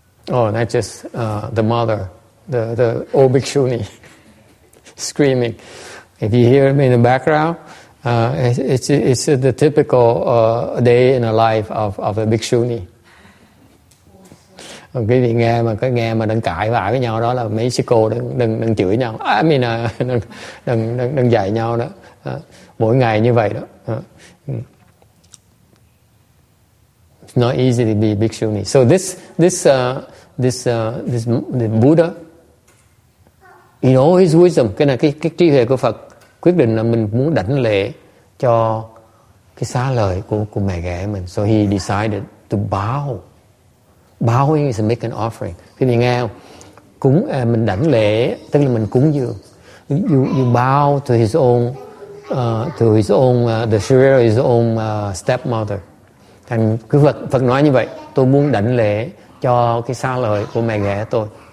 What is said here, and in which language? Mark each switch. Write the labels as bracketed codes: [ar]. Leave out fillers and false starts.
[en] Oh, that's just the mother, the old bhikshuni, screaming. If you hear me in the background, it's the typical day in the life of a bhikshuni. [vi] Quý vị nghe mà đừng cãi vã với nhau, đó là mấy sư cô đừng chửi nhau. [en] I mean, [vi] đừng dạy nhau đó. Mỗi ngày như vậy đó. [en] It's not easy to be a bhikshuni. So this Buddha, in all his wisdom, [vi] cái này cái trí huệ của Phật, quyết định là mình muốn đảnh lễ cho cái xá lợi của mẹ ghẻ mình. [en] So he decided to bow. Bowing is to make an offering. [vi] Quý vị nghe không? Cúng, mình đảnh lễ, tức là mình cúng dường. [en] You bow to his own, the shrine of his own stepmother. [vi] Thành cứ Phật nói như vậy, tôi muốn đảnh lễ cho cái xa lời của mẹ ghẻ tôi.